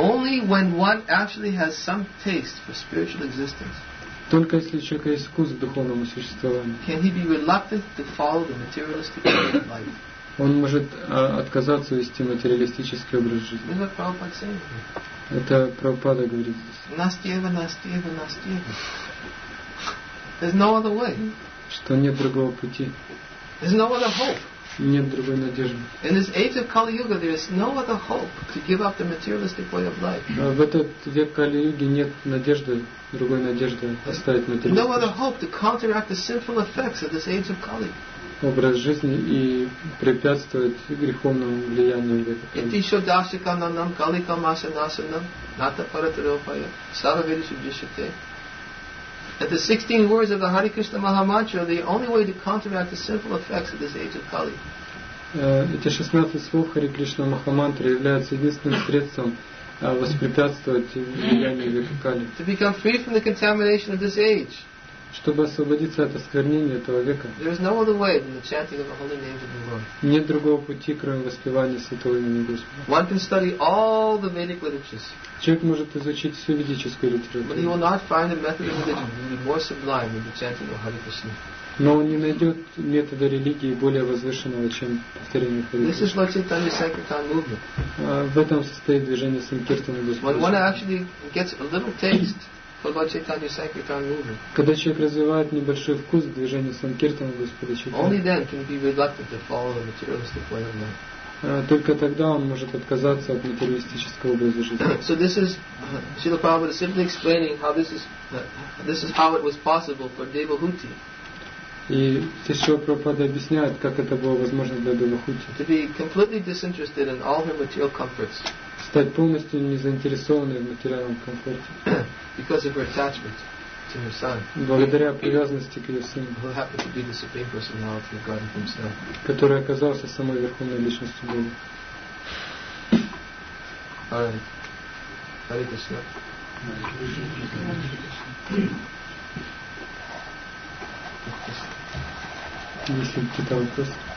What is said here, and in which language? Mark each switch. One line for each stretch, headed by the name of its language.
English: Only when one actually has some taste for spiritual existence.
Russian: Только если у человека есть вкус к духовному существованию.
English: Can he be reluctant to follow the materialistic way of life?
Russian: Он может отказаться вести материалистический образ жизни.
English: Is what Prabhupada is saying.
Russian: Это Прабхупада говорит здесь.
Sanskrit: Настьева, настьева, настьева.
English: There's no other way.
Russian: Что нет другого пути.
English: There's no other hope.
Russian: Нет другой надежды.
English: In this age of Kali Yuga, there is no other hope to give up the materialistic way of life.
Russian: В этот век Кали Юги нет надежды, другой надежды оставить материалистический.
English: No other hope to counteract the sinful effects of this age of Kali.
Russian: Образ жизни и препятствует греховному влиянию века.
Sanskrit: Ити шодашика нанам калика маса насанам ната паратропая саравери субдишите.
English: That the 16 words of the Hare Krishna Mahamantra are the only way to counteract the sinful effects of this age of Kali.
Russian: Эти 16 слов Хари Кришна Махамантры являются единственным средством воспрепятствовать влиянию века Кали.
English: To become free from the contamination of this age.
Russian: Чтобы освободиться от осквернения этого века.
English: There is no other way than the chanting of the holy names of the Lord.
Russian: Нет другого пути, кроме воспевания святого имени Господа.
English: One can study all the Vedic literatures.
Russian: Человек может изучить всю ведическую литературу.
English: But he will not find a method of religion more sublime than the chanting of Hare Krishna.
Russian: Но он не найдет метода религии более возвышенного, чем повторение Хари
English: Кришны. This is Lord Chaitanya's sankirtan movement.
Russian: В этом состоит движение санкиртаны Господа.
English: When one actually gets a little taste. Lord Chaitanya's sankirtan movement.
Russian: Когда человек развивает небольшой вкус к движению санкиртаны Господа Чайтанья.
English: Only then can he be reluctant to follow the materialistic way of life.
Russian: Только тогда он может отказаться от материалистического образа жизни.
English: So this is Srila Prabhupada simply explaining how this is how it was possible for Devahuti.
Russian: И Srila Prabhupada объясняет, как это было возможно для Девахути.
English: To be completely disinterested in all her material comforts.
Russian: Стать полностью незаинтересованной в материальном комфорте.
English: Because of her attachment to her son.
Russian: Благодаря привязанности к ее сыну.
English: Who happened to be the supreme personality of God himself.
Russian: Который оказался самой верховной личностью Бога.
English: All right. Hare Krishna.
Russian: Если какие-то вопросы.